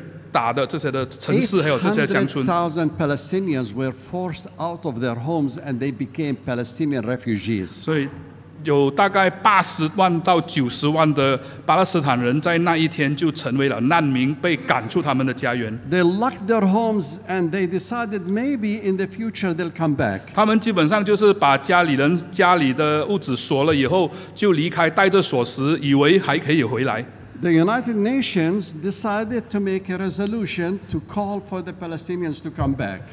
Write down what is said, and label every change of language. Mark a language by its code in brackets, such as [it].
[zh] 所以这些就是当时在1948年被犹太人以色列人打的这些的城市，还有这些乡村。 [en] 800,000 Palestinians were forced out of their homes and they became Palestinian refugees. [zh] 有大概80万到90万的巴勒斯坦人在那一天就成为了难民，被赶出他们的家园。 [en] They locked their homes and they decided maybe in the future they'll come back. [zh] 他们基本上就是把家里的屋子锁了以后就离开，带着锁匙，以为还可以回来。 [en] The United Nations decided to make a resolution to call for the Palestinians to come back.